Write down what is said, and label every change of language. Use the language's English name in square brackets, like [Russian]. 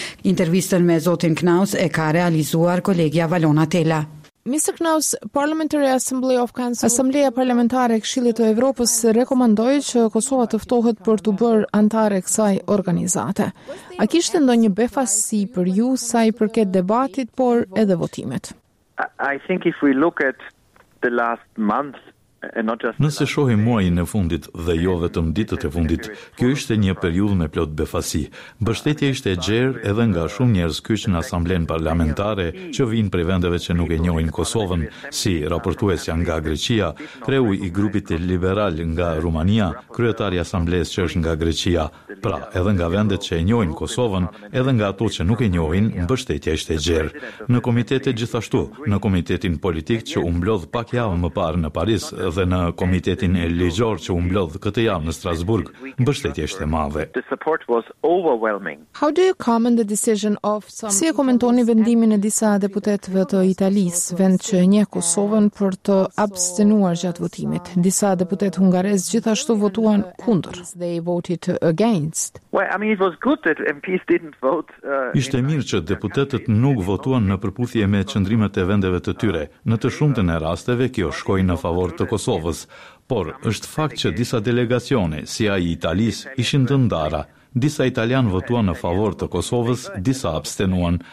[Albanian] Intervistën me zotin Knaus e ka realizuar kolegja Valona Tela. [English] Mr. [Albanian] Knaus, [English] Parliamentary Assembly of Council, [Albanian] Asambleja Parlamentare e Këshillit të Evropës rekomandoi që Kosova të ftohet për të bërë antare kësaj organizate. A kishte ndonjë befasësi për ju sa i përket debatit, por edhe votimit? [English] I think if we look at the last month, [Albanian] nëse shohim muajin e fundit dhe jo vetëm ditët e fundit, kjo ishte një periudhë me plot befasi. Mbështetja ishte e gjerë edhe nga shumë njerëz kyç në Asamblen Parlamentare që vinë prej vendeve që nuk e njohin Kosovën, si raportuesja nga Greqia, kreu i grupit liberal nga Rumania, kryetari asamblesë që është nga Greqia. Pra, edhe nga vendet që e njohin Kosovën, edhe nga ato që nuk e njohin, mbështetja ishte e gjerë. Në komitete gjithashtu, në komitetin politik që u mblodh pak javë më parë në Paris, dhe në komitetin e ligjor që u mblodh këtë javë në Strasburg, mbështetja ishte e madhe. [English] How do you comment the decision of some? [Albanian] Si e komentoni vendimin e disa deputetëve të Italisë, vend që e njeh Kosovën, për të abstenuar gjatë votimit? Disa deputet hungarez gjithashtu votuan kundër. [English] They voted against. Well, I mean it was good that MPs didn't vote. [Albanian] Ishte mirë që deputetët nuk votuan në përputhje me qendrimet e vendeve të tyre. Në të shumtën e rasteve kjo shkoi në favor të Kosovës, por është fakt që disa delegacione, si ai i Italisë, ishin të ndara. Disa italian votuan në favor të Kosovës, disa abstenuan.